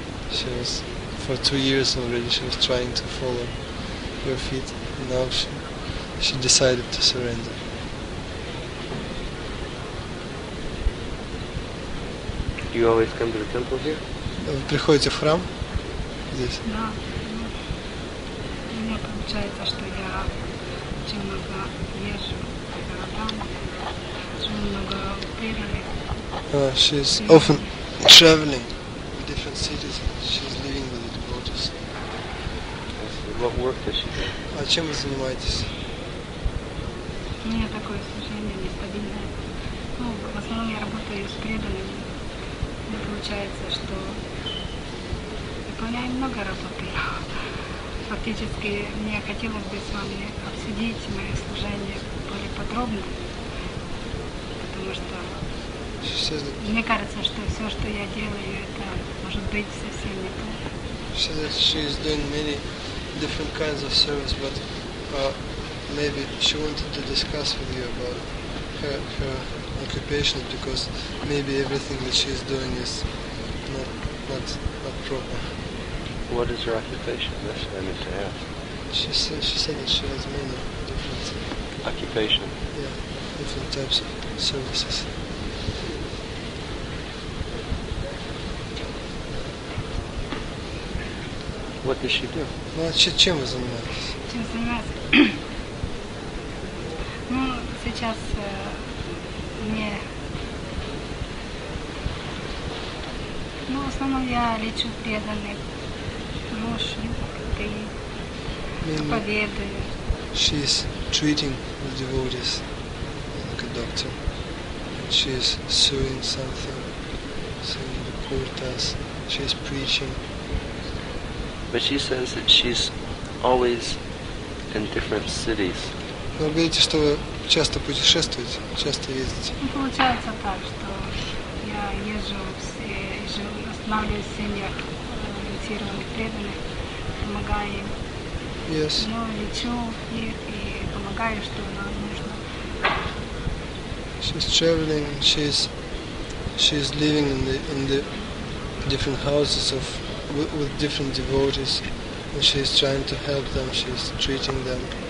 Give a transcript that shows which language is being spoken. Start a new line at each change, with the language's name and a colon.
English: She was for 2 years already. She was trying to follow your feet. Now she decided to surrender. Do you always come to the temple here?
Russian: Вы приходите в храм здесь? Да. Мне получается, что я очень много езжу по городам, очень много пережил.
English: She's often traveling in different cities. She's living with the devotees. What work does she do?
Russian: А чем вы занимаетесь? У меня такое служение нестабильное. Ну, в основном я работаю с преданными. Но получается, что выполняю много работы. Фактически, мне хотелось бы с вами обсудить мое служение более подробно, потому что
English: she says that she is doing many different kinds of service, but maybe she wanted to discuss with you about her occupation, because maybe everything that she is doing is not proper. What is her occupation? That's what I need to ask. She said that she has many different occupation. Yeah, different types of services. What did she do?
Russian: Ну, чем вы занимались? Чем занимаюсь? Ну, сейчас мне... Ну, в основном я лечу преданных. Ну, проповедую.
English: She is treating the devotees like a doctor. She is suing something, suing the kurtas. She is preaching. But she says that she's always in different cities.
Russian: Вы говорите, что вы часто путешествуете, часто ездите. Ну, получается так, что я езжу и останавливаюсь в семьях ориентированных преданных, помогаю им.
English: Yes.
Russian: Но лечу их и помогаю, что нам нужно.
English: She's traveling, she's living in the different houses of with different devotees, and she's trying to help them, she's treating them.